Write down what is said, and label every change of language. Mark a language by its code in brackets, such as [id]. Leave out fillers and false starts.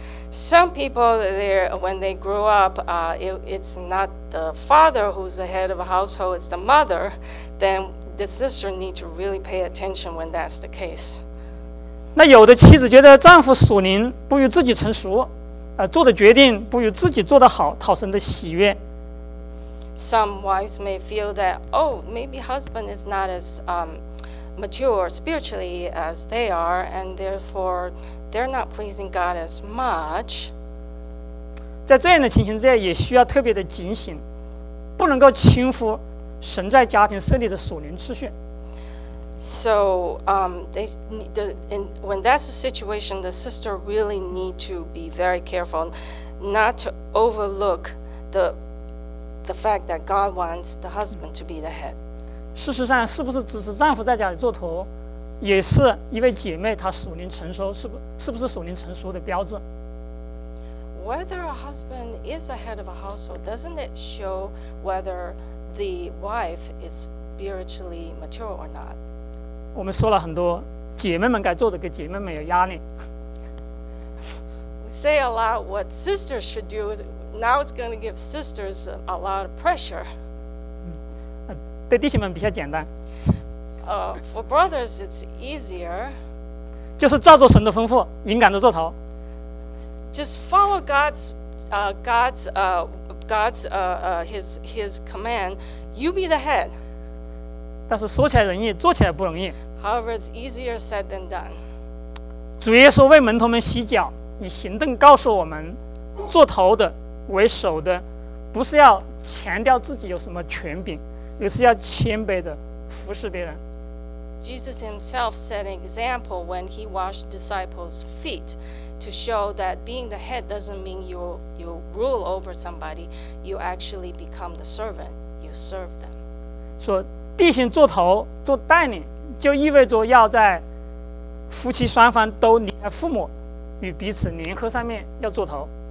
[en] Some people there when they grow up, it's not the father who's the head of a household; it's the mother. Then the sister need to really pay attention when that's the case. [zh] 那有的妻子觉得丈夫属灵不如自己成熟，做的决定不如自己做的好，讨神的喜悦。 [en] Some wives may feel that, maybe husband is not as mature spiritually as they are, and therefore. They're not pleasing God as much. [zh] 在这样的情形之下，也需要特别的警醒，不能够轻忽神在家庭设立的属灵次序。 [en] So, when that's the situation, the sister really need to be very careful not to overlook the fact that God wants the husband to be the head. [zh] 事实上，是不是支持丈夫在家里做头？也是一位姐妹她属灵成熟是不是属灵成熟的标志。 [en] Whether a husband is a head of a household, doesn't it show whether the wife is spiritually mature or not? [zh] 我们说了很多姐妹们该做的，给姐妹们有压力。 [en] We say a lot what sisters should do, now it's going to give sisters a lot of pressure. [zh] 对弟兄们比较简单。 [en] For brothers, it's easier. [zh] 就是照着神的吩咐，勇敢地做头。 [en] just follow God's command. You be the head. [zh] 但是说起来容易，做起来不容易。 [en] However, it's easier said than done. [zh] 主耶稣为门徒们洗脚，以行动告诉我们，做头的为首的，不是要强调自己有什么权柄，而是要谦卑的服侍别人。 [en] Jesus himself set an example when he washed disciples' feet to show that being the head doesn't mean you rule over somebody. You actually become the servant. You serve them. [zh] 说弟兄做头做带领，就意味着要在夫妻双方都离开父母，与彼此联合上面要做头。